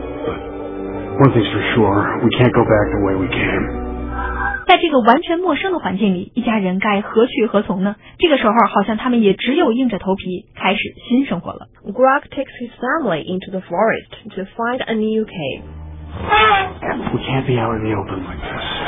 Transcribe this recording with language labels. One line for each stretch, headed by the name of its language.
English: But one thing's for sure, we can't go back the way we came.
Chinese: 在这个完全陌生的环境里，一家人该何去何从呢？这个时候好像他们也只有硬着头皮开始新生活了。
English: Grug takes his family into the forest to find a new cave. We can't be out in the open like this.